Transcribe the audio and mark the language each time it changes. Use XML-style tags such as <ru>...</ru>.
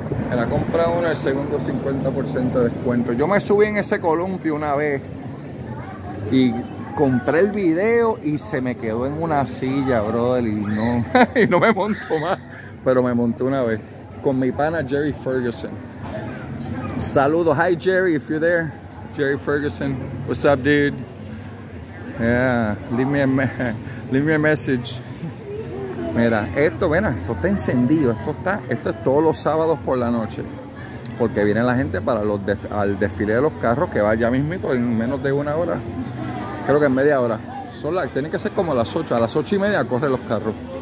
<es>Era comprar uno el segundo 50% de descuento. Yo me subí en ese columpio una vez y compré el video y se me quedó en una silla, brother, y no me monto más, pero me monté una vez con mi pana Jerry Ferguson. Saludos,</es> <en>hi Jerry, if you're there. Jerry Ferguson, what's up, dude? Yeah, leave me a message.</en> <es>Mira, esto está encendido, esto es todos los sábados por la noche, porque viene la gente para al desfile de los carros, que va ya mismito en menos de una hora, creo que en media hora. Tienen que ser como las 8, a las 8 y media corren los carros.</es>